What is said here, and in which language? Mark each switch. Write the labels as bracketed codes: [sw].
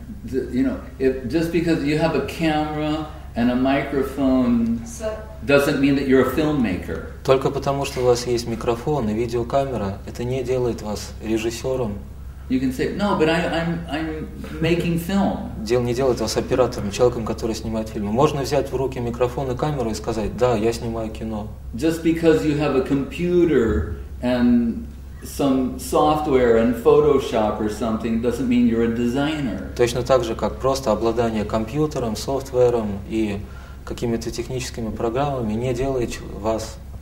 [en] you know, if just because you have a camera and a microphone doesn't mean that you're a filmmaker. [ru] Только потому что у вас есть микрофон и видеокамера, это не делает вас режиссером. [en] You can say, no, but I'm making film. [ru] Дело не делает вас оператором, человеком, который снимает фильмы. Можно взять в руки микрофон и камеру и сказать: да, я снимаю кино. [en] Just because you have a computer and some software and Photoshop or something doesn't mean you're a designer. [ru] Точно так же, как просто обладание компьютером, софтвером и какими-то техническими программами не делает вас